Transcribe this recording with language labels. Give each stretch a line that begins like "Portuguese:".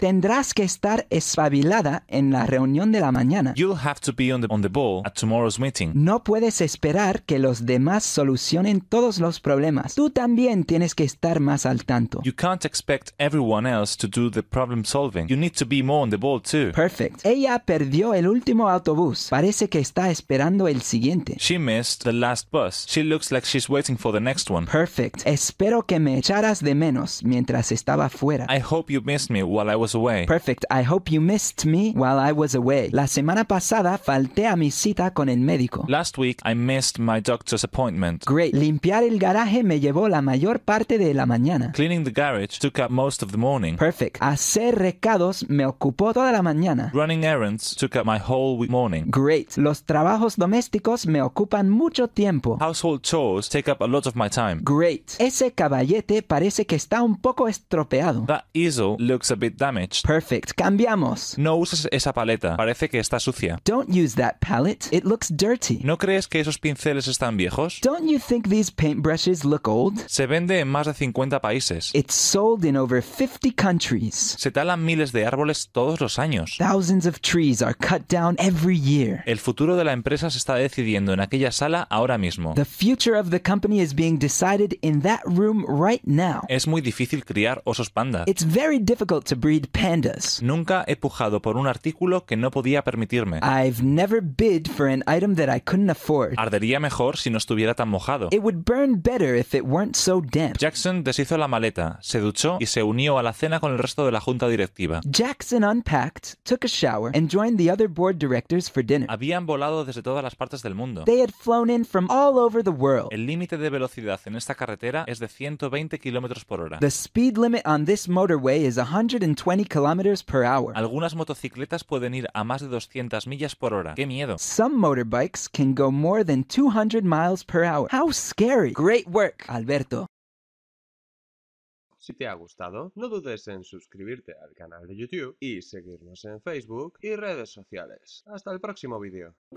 Spanish: Tendrás que estar espabilada en la reunión de la mañana.
English: You'll have to be on the ball at tomorrow's meeting.
Spanish: No puedes esperar que los demás solucionen todos los problemas. Tú también tienes que estar más al tanto.
English: You can't expect everyone else to do the problem solving. You need to be more on the ball too. Perfect.
Spanish: Ella perdió el último autobús. Parece que está esperando el siguiente.
English: She missed the last bus. She looks like she's waiting for the next one. Perfect.
Spanish: Espero que me echaras de menos mientras estaba fuera.
English: I hope you missed me while I was away. Perfect. I hope you missed me while I was away.
Spanish: La semana pasada falté a mi cita con el médico.
English: Last week I missed my doctor's appointment. Great.
Spanish: Limpiar el garaje me llevó la mayor parte de la mañana.
English: Cleaning the garage took up most of the morning. Perfect.
Spanish: Hacer recados me ocupó toda la mañana.
English: Running errands took at my whole week morning. Great.
Spanish: Los trabajos domésticos me ocupan mucho tiempo.
English: Household chores take up a lot of my time. Great.
Spanish: Ese caballete parece que está un poco estropeado.
English: That easel looks a bit damaged. Perfect.
Spanish: Cambiamos. No uses esa paleta. Parece que está sucia.
English: Don't use that palette. It looks dirty.
Spanish: ¿No crees que esos pinceles están viejos?
English: Don't you think these paintbrushes look old?
Spanish: Se vende en más de 50 países.
English: It's sold in over 50 countries.
Spanish: Se talan miles de árboles todos los años.
English: Thousands of trees are cut down every year.
Spanish: El futuro de la empresa se está decidiendo en aquella sala ahora mismo.
English: The future of the company is being decided in that room right now.
Spanish: Es muy difícil criar osos panda.
English: It's very difficult to breed pandas.
Spanish: Nunca he pujado por un artículo que no podía permitirme.
English: I've never bid for an item that I couldn't afford.
Spanish: Ardería mejor si no estuviera tan mojado.
English: It would burn better if it weren't so damp.
Spanish: Jackson deshizo la maleta, se duchó y se unió a la cena con el resto de la junta directiva.
English: Jackson unpacked, took a shower, and joined the other board directors for dinner.
Spanish: Habían volado desde todas las partes del mundo.
English: They had flown in from all over the world.
Spanish: El límite de velocidad en esta carretera es de 120 kilómetros por hora.
English: The speed limit on this motorway is 120 kilometers per hour.
Spanish: Algunas motocicletas pueden ir a más de 200 millas por hora. ¡Qué miedo!
English: Some motorbikes can go more than 200 miles per hour. How scary! Great work, Alberto.
Spanish: Si te ha gustado, no dudes en suscribirte al canal de YouTube y seguirnos en Facebook y redes sociales. ¡Hasta el próximo vídeo!